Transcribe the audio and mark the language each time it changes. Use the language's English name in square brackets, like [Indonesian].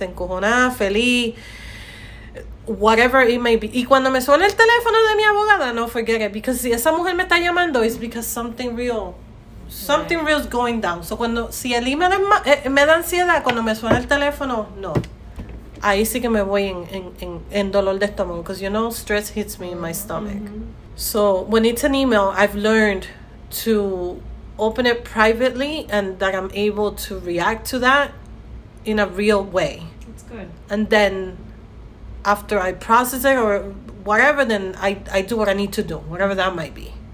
[Spanish] Encojonada, feliz, whatever it may be. Y cuando me suena el teléfono de mi abogada, no, forget it. [English] Because si esa mujer me está llamando, it's because something real is going down. [Spanish] So cuando, si el email me da ansiedad, cuando me suena el teléfono, no. Ahí sí que me voy en dolor de estómago. [English] Because, you know, stress hits me in my stomach. Mm-hmm. So, when it's an email, I've learned to open it privately and that I'm able to react to that in a real way. That's good. And then, after I process it or whatever, then I do what I need to do, whatever that might be.